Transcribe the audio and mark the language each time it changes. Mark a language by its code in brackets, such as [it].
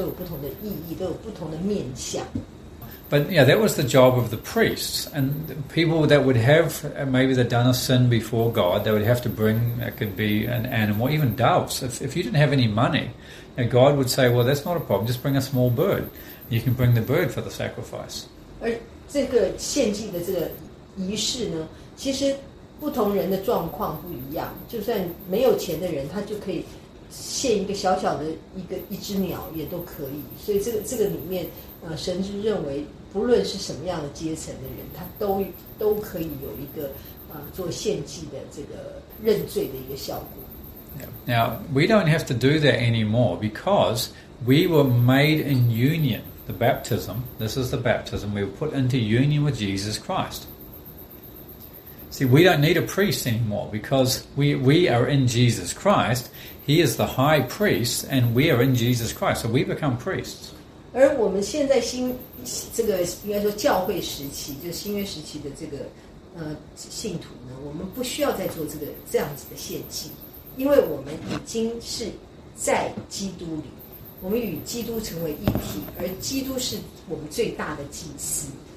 [zh] 我们也知道献祭有很多种类，献祭不同的动物，它都有不同的意义，都有不同的面向。But [en] yeah, that was the job of the priests. And the people that would have, maybe they'd done a sin before God, they would have to bring, it could be an animal, even doves. If you didn't have any money, God would say, well, that's not a problem, just bring a small bird. You can bring the bird for the sacrifice. [zh] 而这个献祭的这个仪式呢，其实 不同人的状况不一样，就算没有钱的人，他就可以献一个小小的一个一只鸟也都可以。所以这个里面，神是认为不论是什么样的阶层的人，他都可以有一个做献祭的这个认罪的一个效果。Now [en] we don't have to do that anymore because we were made in union. The baptism, this is the baptism, we were put into union with Jesus Christ. See, we don't need a priest anymore because we are in Jesus Christ. He is the high priest and we are in Jesus Christ. So we become priests. [zh] 而我们现在新约时期的这个信徒呢，我们不需要再做这样子的献祭，因为我们已经是在基督里，我们与基督成为一体，而基督是我们最大的祭司。